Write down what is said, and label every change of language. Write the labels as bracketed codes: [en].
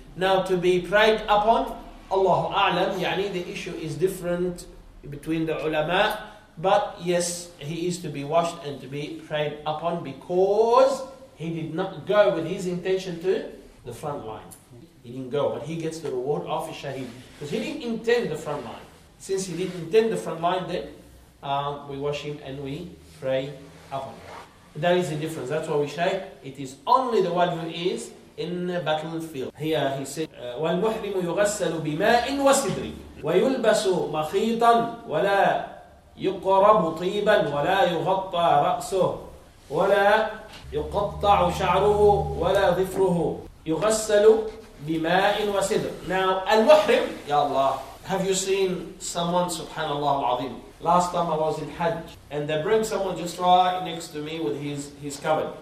[en] Now, to be prayed upon, Allahu a'lam, yani the issue is different between the ulama, but yes, he is to be washed and to be prayed upon because he did not go with his intention to the front line. He didn't go, but he gets the reward of a shaheed because he didn't intend the front line. Since he didn't intend the front line, then we wash him and we pray upon him. That is the difference. That's why we say it is only the one who is in the battlefield. Here he said, [ar] وَالْمُحْرِمُ يُغَسَّلُ بِمَاءٍ وَسِدْرٍ وَيُلْبَسُ مَخِيطًا وَلَا يُقْرَبُ طِيبًا وَلَا يُغَطَّى رَأْسُهُ وَلَا يُقَطَّعُ شَعْرُهُ وَلَا ظِفْرُهُ يُغَسَّلُ بِمَاءٍ وَسِدْرٍ. [en] Now, Al-Muhrim, Ya Allah, have you seen someone, Subhanallah Al-Azim? Last time I was in Hajj, and they bring someone just right next to me with his covered.